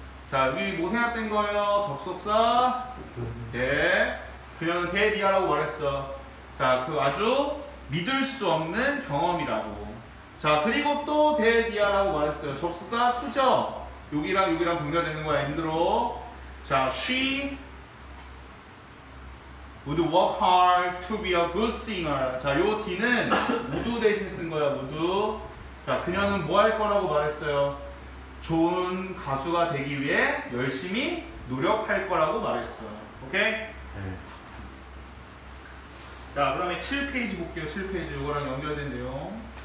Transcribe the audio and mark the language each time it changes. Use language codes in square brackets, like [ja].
[ko] 자, 여기 뭐 생각된 거예요? 접속사? 네. 그녀는 데디아라고 말했어. 자, 그 아주 믿을 수 없는 경험이라고. 자, 그리고 또 데디아라고 말했어요. 접속사 투죠? 여기랑 여기랑 동작되는 거야, 엔드로. [en] 자, she would work hard to be a good singer. [ko] 자, 요 D는 would 대신 쓴 거야, would. 자, 그녀는 뭐 할 거라고 말했어요? 좋은 가수가 되기 위해 열심히 노력할 거라고 말했어. 오케이? 네. 자, 그 다음에 7페이지 볼게요. 7페이지. 이거랑 연결된 내용.